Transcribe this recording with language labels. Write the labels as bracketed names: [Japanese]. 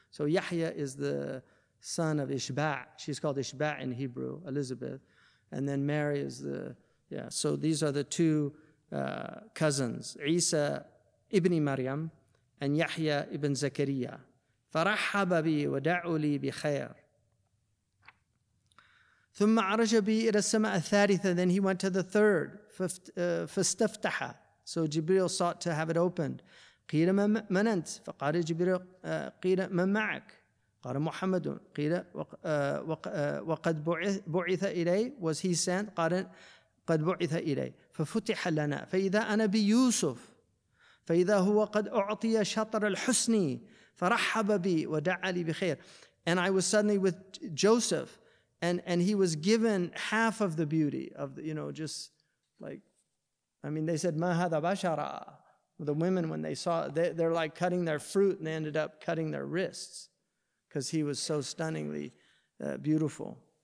[English] So Yahya is the son of Ishba', she's called Ishba' in Hebrew, Elizabeth, and then Mary is the, yeah, so these are the two cousins, Isa ibn Maryam and Yahya ibn Zakariya. [Arabic] فَرَحَّبَ بِي وَدَعُوا لِي بِخَيْرِ ثُمَّ عَرَجَ بِي إِلَى السَّمَاءَ الثَّالِثَةَ. [English] Then he went to the third, [Arabic] فَاسْتَفْتَحَ. [English] So Jibril sought to have it opened. [Arabic] قِيلَ مَنْ أَنْتَ فَقَالَ جِبْرِيلُ قِيلَ مَنْ مَعَكَ قال محمد قيل وقد بعث إلي, [English] was he sent? [Arabic] قال قد بعث إلي ففتح لنا فإذا أنا بيوسف فإذا هو قد أعطي شطر الحسن فرحب بي ودعا لي بخير. [English] And I was suddenly with Joseph, and he was given half of the beauty of the, you know, just like, I mean, they said [Arabic] ما هذا بشرا, [English] the women, when they saw, they're like cutting their fruit, and they ended up cutting their wrists because he was so stunningly beautiful.